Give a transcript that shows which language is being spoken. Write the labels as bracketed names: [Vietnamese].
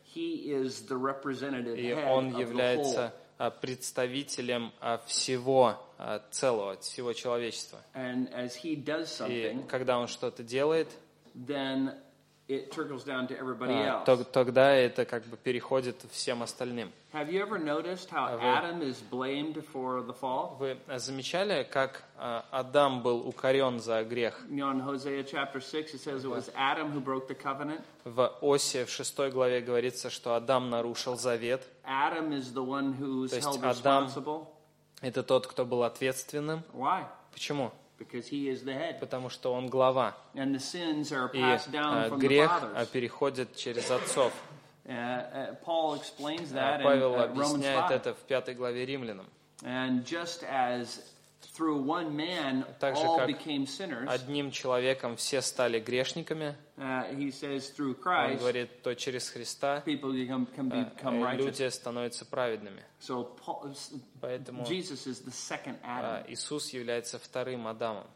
[English] He is the representative head of the whole. [Russian] И он является представителем всего целого, всего человечества. [English] And as he does something, [Russian] и когда он что-то делает, [English] then it trickles down to everybody else. [Russian] Тогда это как бы переходит всем остальным. [English] Have you ever noticed how Adam is blamed for the fall? [Russian] Вы замечали, как Адам был укорен за грех? [English] In Hosea chapter 6 it says it was Adam who broke the covenant. [Russian] В Осе в 6 главе говорится, что Адам нарушил завет. [English] Adam is the one who's held responsible. [Russian] То есть Это тот, кто был ответственным. [English] Why? [Russian] Почему? [English] Because he is the head. [Russian] Потому что он глава. [English] And the sins are passed [Russian] И [English] down from [Russian] грех [English] the fathers. [Russian] Переходит через отцов. [English] Paul explains that [Russian] Павел [English] in Romans 5. [Russian] Объясняет это в 5 главе Римлянам. [English] And just as through one man all became sinners. [Russian] Одним человеком все стали грешниками. [English] He says through Christ. [Russian] Он говорит, то через Христа. [English] People become righteous. [Russian] Люди становятся праведными. [English] So Paul, [Russian] поэтому [English] Jesus is the second Adam. [Russian] Иисус является вторым Адамом.